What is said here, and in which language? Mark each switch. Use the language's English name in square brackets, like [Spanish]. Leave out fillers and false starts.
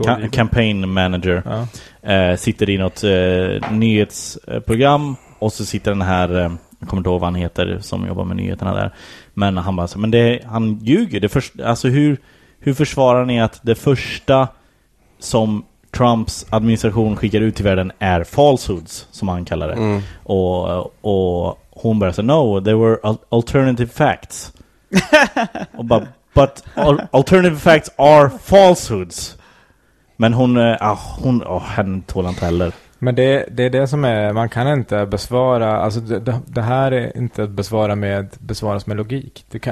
[Swedish] Campaign manager. Ja. Sitter i något nyhetsprogram, och så sitter den här jag kommer inte ihåg vad han heter som jobbar med nyheterna där. Men han bara så, men det, han ljuger. Det först, alltså hur försvarar ni att det första som Trumps administration skickar ut till världen är falsehoods, som han kallar det. Mm. Och hon bara säger, [English] no, there were alternative facts. but alternative facts are falsehoods. [Swedish] Men henne tål inte heller. Men det är det som är, man kan inte besvara, alltså det här är inte att besvara med, besvaras med logik.